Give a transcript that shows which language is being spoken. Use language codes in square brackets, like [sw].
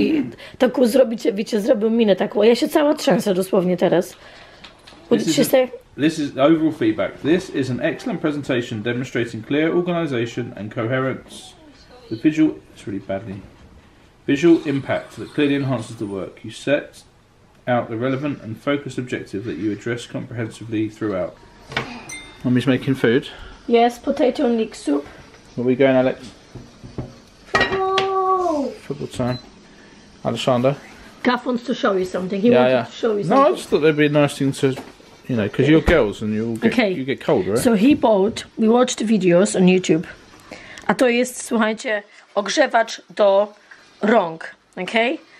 [pl] I taką zrobić, wiecie, zrobił minę taką. A ja się cała trzęsę dosłownie teraz. [en] What did you say? This is overall feedback. This is an excellent presentation demonstrating clear organization and coherence. The visual, it's really badly. Visual impact that clearly enhances the work. You set out the relevant and focused objective that you address comprehensively throughout. Mommy's making food. Yes, potato and leek soup. Where are we going, Alex? Football! Football time. Alexander? Gaff wants to show you something. He wanted to show you something. No, I just thought there'd be a nice thing to, you know, because you're girls and you'll get, okay. You get cold, right? So he bought, we watched videos on YouTube. [pl] A to jest, słuchajcie, ogrzewacz do rąk, okej?